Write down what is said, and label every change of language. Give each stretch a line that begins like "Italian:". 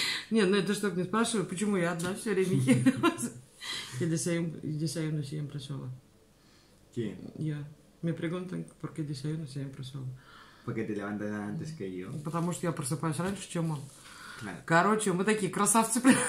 Russian: Нет, ну это чтоб не спрашивать, почему я одна все время ела.
Spanish: Я десаюно siempre sola. ¿Quién?
Russian: Я.
Spanish: Me preguntan, ¿por qué desayuno siempre solo? Porque te levantas antes que yo.
Russian: Потому что я просыпаюсь раньше, чем он.
Spanish: Claro.
Russian: Короче, мы такие красавцы.